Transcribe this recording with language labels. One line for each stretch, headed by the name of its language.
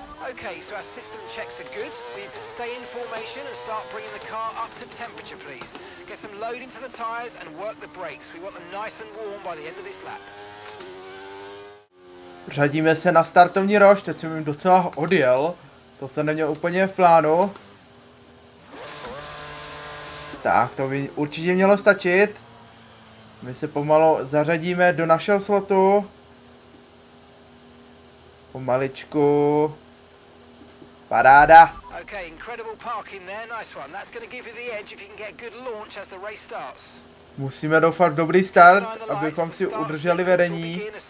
English: Okay, so our system checks are good. We need to stay in formation and start bringing the car up to temperature, please. Get some load into the tyres and work the brakes. We want them nice and warm by the end of this lap.
Czech: Řadíme se na startovní roš, teď jsem jim docela odjel. To jsem neměl úplně v plánu. Tak, to by určitě mělo stačit. My se pomalu zařadíme do našeho slotu. Pomaličku. Paráda.
English: Okay, incredible parking there. Nice one. That's going to give you the edge if you can get a good launch as the race starts.
Czech: Musíme doufat dobrý start, abychom si udrželi vedení.